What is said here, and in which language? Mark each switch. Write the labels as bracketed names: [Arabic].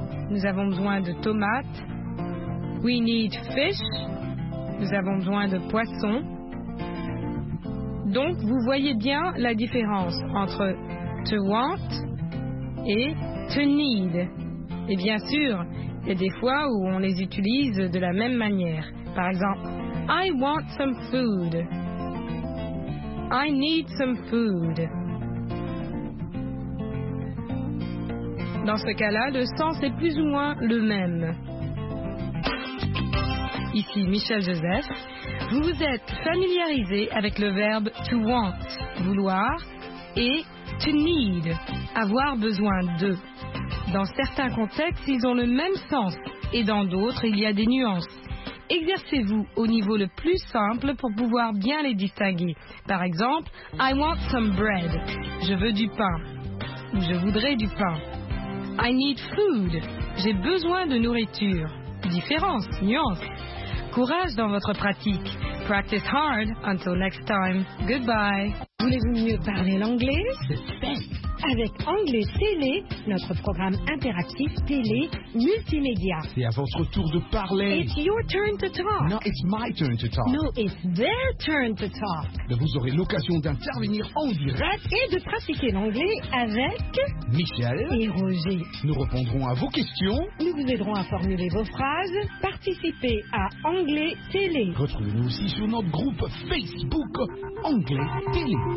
[French] Nous avons besoin de tomates. [English] We need fish. [French] Nous avons besoin de poissons. Donc, vous voyez bien la différence entre to want et to need. Et bien sûr, il y a des fois où on les utilise de la même manière. [English] Par exemple, I want some food. I need some food. [French] Dans ce cas-là, le sens est plus ou moins le même. Ici Michel Joseph. Vous vous êtes familiarisé avec le verbe to want, vouloir, et to need, avoir besoin de. Dans certains contextes, ils ont le même sens, et dans d'autres, il y a des nuances. Exercez-vous au niveau le plus simple pour pouvoir bien les distinguer. [English] Par exemple, I want some bread. [French] Je veux du pain. Ou je voudrais du pain. [English] I need food. [French] J'ai besoin de nourriture. Différence, nuance. Courage dans votre pratique. [English] Practice hard. Until next time. Goodbye. [French] Voulez-vous mieux parler l'anglais? Avec Anglais Télé, notre programme interactif télé multimédia. C'est à votre tour de parler. [English] It's your turn to talk. No, it's my turn to talk. No, it's their turn to talk. [French] Vous aurez l'occasion d'intervenir en direct et de pratiquer l'anglais avec Michel et Roger. Nous répondrons à vos questions. Nous vous aiderons à formuler vos phrases. Participez à Anglais Télé. Retrouvez-nous aussi sur notre groupe Facebook Anglais Télé.